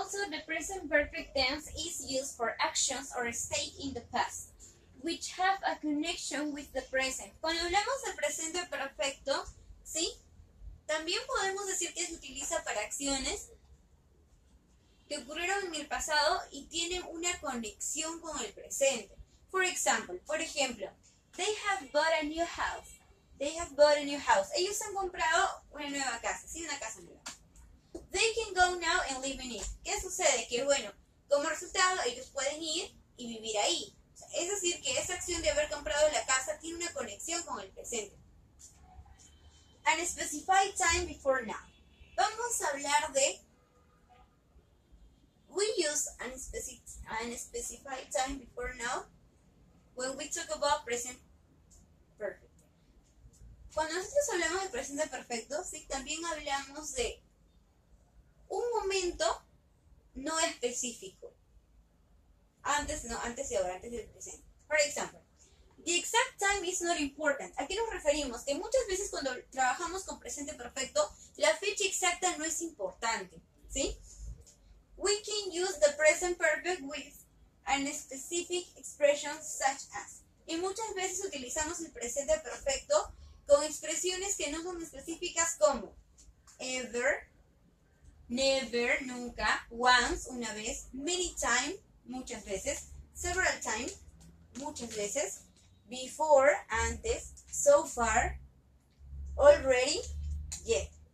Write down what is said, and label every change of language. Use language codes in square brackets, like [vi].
[en] the present perfect tense is used for actions or state in the past, which have a connection with the present. [es] Cuando hablamos del presente perfecto, ¿sí? También podemos decir que se utiliza para acciones que ocurrieron en el pasado y tienen una conexión con el presente. Por ejemplo, [en] they have bought a new house. They have bought a new house. [es] Ellos han comprado una nueva casa, sí, una casa nueva. [en] They can go now and live in it. [es] ¿Qué sucede? Que bueno, como resultado ellos pueden ir y vivir ahí. O sea, es decir, que esa acción de haber comprado la casa tiene una conexión con el presente. [en] And specify time before now. [es] Vamos a hablar de... [en] We use an specify time before now when we talk about present perfect. [es] Cuando nosotros hablamos de presente perfecto, sí, también hablamos de un momento no específico. Antes, no, antes y ahora, antes del presente. [en] For example, the exact time is not important. [es] ¿A qué nos referimos? Que muchas veces cuando trabajamos con presente perfecto, la fecha exacta no es importante, ¿sí? [en] We can use the present perfect with an specific expression such as. [es] Y muchas veces utilizamos el presente perfecto con expresiones que no son específicas como ever, never, nunca, once, una vez, many times, muchas veces, several times, muchas veces, before, antes, so far, already, yet.